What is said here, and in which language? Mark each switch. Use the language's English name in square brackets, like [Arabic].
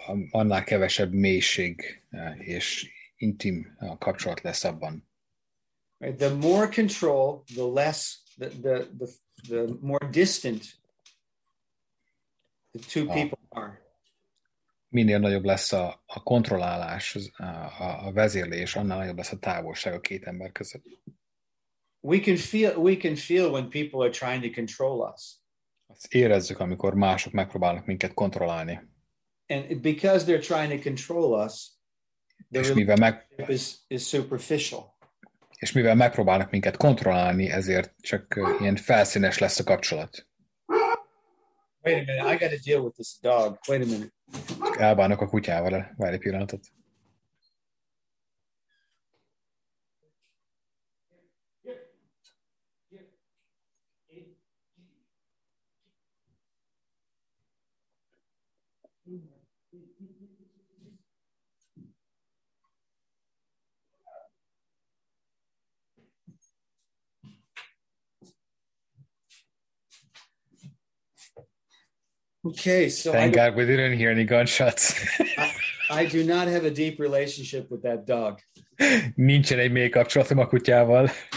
[Hungarian] Annál kevesebb mélység és intim kapcsolat lesz abban. [English] Right, the more control, the less, the more distant the two people are. [Hungarian] Minél nagyobb lesz a kontrollálás, a vezérlés, annál nagyobb lesz a távolság a két ember között. [English] We can feel when people are trying to control us. [Hungarian] Azt érezzük, amikor mások megpróbálnak minket kontrollálni. [English] And because they're trying to control us, is superficial. [Hungarian] És mivel megpróbálnak minket kontrollálni, ezért csak ilyen felszínes lesz a kapcsolat. [English] Wait a minute, I got to deal with this dog. Wait a minute. [Hungarian] Elbánok a kutyával, várj egy pillanatot. [English] Okay, so thank God we didn't hear any gunshots. I do not have a deep relationship with that dog. [Hungarian] Nincsen egy mély kapcsolatom a kutyával.